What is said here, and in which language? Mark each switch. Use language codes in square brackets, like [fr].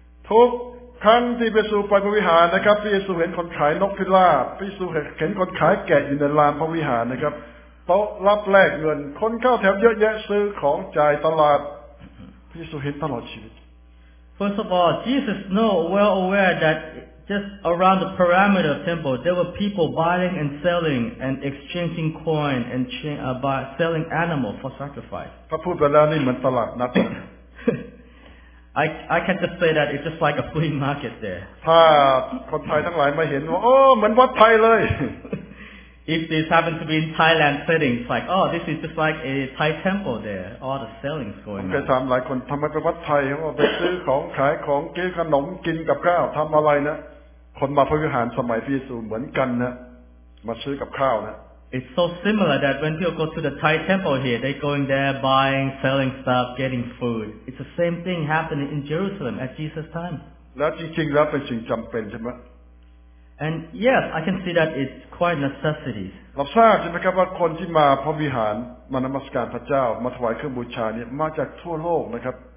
[th] ทุกครั้งที่พระเยซูไปพระวิหารนะครับพระเยซูเห็นคนขายนกพิราบพระเยซูเห็นคนขายแกะอยู่ในลานพระวิหารนะครับโต๊ะรับแลกเงินคนเข้าแถวเยอะแยะซื้อของจ่ายตลาดพระเยซูเห็นตลอดชีวิต [en] First of all Jesus know well aware that just around the parameter of temple there were people buying and selling and exchanging coin and selling animal for sacrifice [th] พระพูดไปแล้วนี่เหมือนตลาดนัด [en] I can just say that it's just like a flea market there. [th] ถ้าคนไทยทั้งหลายมาเห็นว่าโอ้เหมือนวัดไทยเลย [en] If this happens to be in Thailand setting, it's like oh this is just like a Thai temple there. All the selling's going on. [th] ผมเคยถามหลายคนทำไมไปวัดไทยเขาบอกไปซื้อของขายของกินขนมกินกับข้าวทำอะไรนะคนมาพระวิหารสมัยพระเยซูเหมือนกันนะมาซื้อกับข้าวนะ [en] It's so similar that when people go to the Thai temple here, they're going there, buying, selling stuff, getting food. It's the same thing happening in Jerusalem at Jesus' time. And yes, I can see that it's quite necessities. [th] เราทราบใช่ไหมครับว่าคนที่มาพระวิหารมานมัสการพระเจ้ามาถวายเครื่องบูชาเนี่ยมาจากทั่วโลกนะครับ